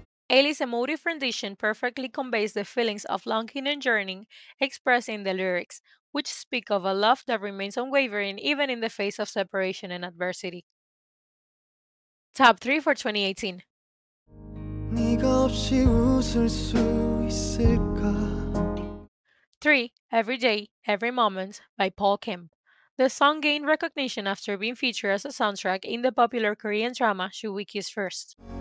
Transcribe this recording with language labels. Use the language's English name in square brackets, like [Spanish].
[English] Ailee's emotive rendition perfectly conveys the feelings of longing and yearning expressed in the lyrics, which speak of a love that remains unwavering even in the face of separation and adversity. Top 3 for 2018. [Korean] 네가 없이 웃을 수 있을까? [English] 3. Every Day, Every Moment by Paul Kim. The song gained recognition after being featured as a soundtrack in the popular Korean drama Should We Kiss First.